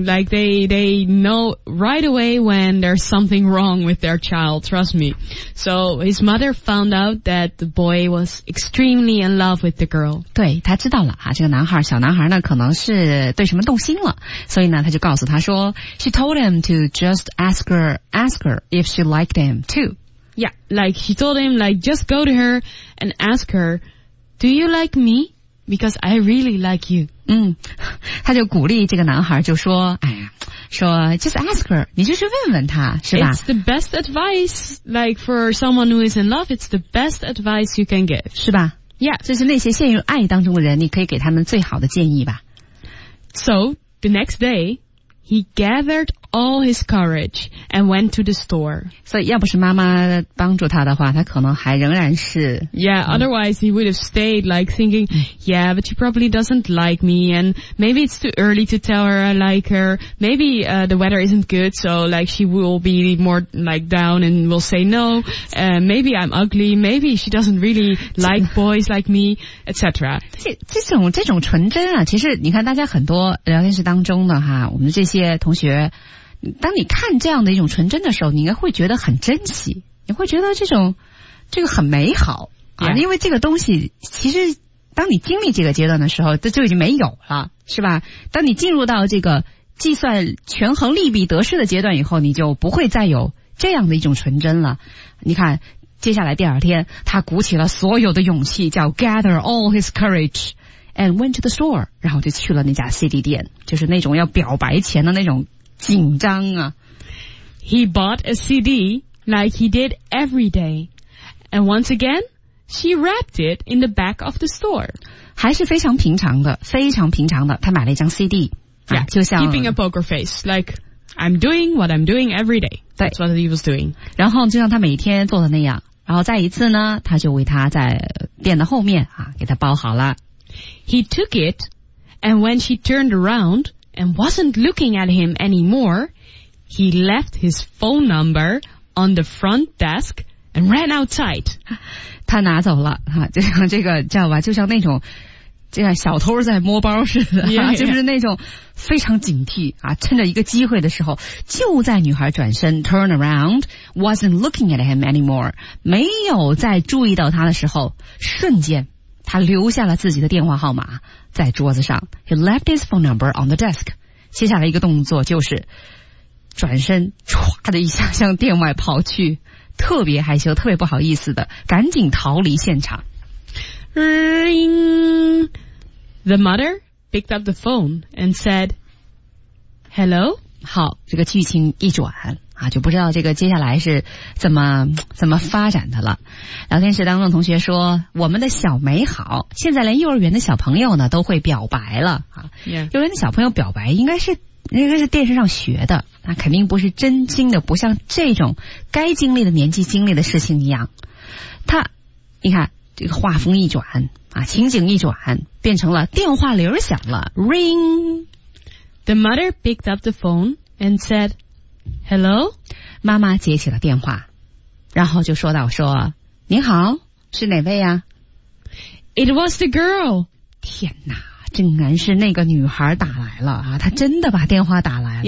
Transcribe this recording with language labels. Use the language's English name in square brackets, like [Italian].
[English] Like they know right away when there's something wrong with their child. Trust me. So his mother found out that the boy was extremely in love with the girl. [Chinese] 对，他知道了啊，这个男孩，小男孩呢，可能是对什么动心了。所以呢，他就告诉他说 ， [English] She told him to just ask her if she liked him too. Yeah, like she told him, like, just go to her and ask her, do you like me? Because I really like you. [Chinese] 嗯，他就鼓励这个男孩就说，哎呀，说 [English] just ask her, [Chinese] 你就是问问他，是吧？ [English] It's the best advice, like for someone who is in love, it's the best advice you can give. [Chinese] 是吧？ [English] Yeah. [Chinese] 这是那些陷入爱当中的人，你可以给他们最好的建议吧。 [English] So, the next day... He gathered all his courage and went to the store. [Chinese] 所以要不是妈妈帮助他的话，他可能还仍然是。 [English] Yeah, otherwise he would have stayed like thinking, yeah, but she probably doesn't like me and maybe it's too early to tell her I like her. Maybe, the weather isn't good, so like she will be more like down and will say no. Maybe I'm ugly, maybe she doesn't really like boys like me, etc. [Chinese] 这种纯真啊，其实你看大家很多聊天室当中的哈，我们这些同学，当你看这样的一种纯真的时候，你应该会觉得很珍惜，你会觉得这个很美好、 [English] yeah. [Chinese] 啊，因为这个东西其实当你经历这个阶段的时候，就已经没有了，是吧？当你进入到这个计算权衡利弊得失的阶段以后，你就不会再有这样的一种纯真了。你看，接下来第二天，他鼓起了所有的勇气，叫 [English] gather all his courage。 And went to the store, [Chinese] 然后就去了那家 CD 店，就是那种要表白前的那种紧张啊。 [English] He bought a CD like he did every day. And once again, she wrapped it in the back of the store. [Chinese] 还是非常平常的，非常平常的，他买了一张 CD、啊。就像 [English] keeping a poker face, like, I'm doing what I'm doing every day. That's what he was doing. [Chinese] 然后就像他每天做的那样，然后再一次呢，他就为他在店的后面啊，给他包好了。 [English] He took it, and when she turned around and wasn't looking at him anymore, he left his phone number on the front desk and ran outside. [Chinese] 他拿走了哈，就像这个叫吧，就像那种这样小偷在摸包似的， [English] yeah, yeah. [Chinese] 就是那种非常警惕啊，趁着一个机会的时候，就在女孩转身 [English] turn around, wasn't looking at him anymore, [Chinese] 没有再注意到他的时候，瞬间。他留下了自己的电话号码在桌子上。 [English] He left his phone number on the desk. [Chinese] 接下来一个动作就是转身唰的一下向店外跑去，特别害羞，特别不好意思的赶紧逃离现场。 [English] Ring! The mother picked up the phone and said, Hello? [Chinese] 好，这个剧情一转。啊，就不知道这个接下来是怎么发展的了。聊天室当中的同学说，我们的小美好，现在连幼儿园的小朋友呢都会表白了啊。 [English] Yeah. [Chinese] 幼儿园的小朋友表白应该是电视上学的，那、啊、肯定不是真心的，不像这种该经历的年纪经历的事情一样。他，你看这个画风一转啊，情景一转，变成了电话铃响了 ， [English] ring。 The mother picked up the phone and said. Hello? [Chinese] 妈妈接起了电话，然后就说道，说，您好，是哪位啊？ [English] It was the girl. [Chinese] 天哪，竟然是那个女孩打来了啊，她真的把电话打来了。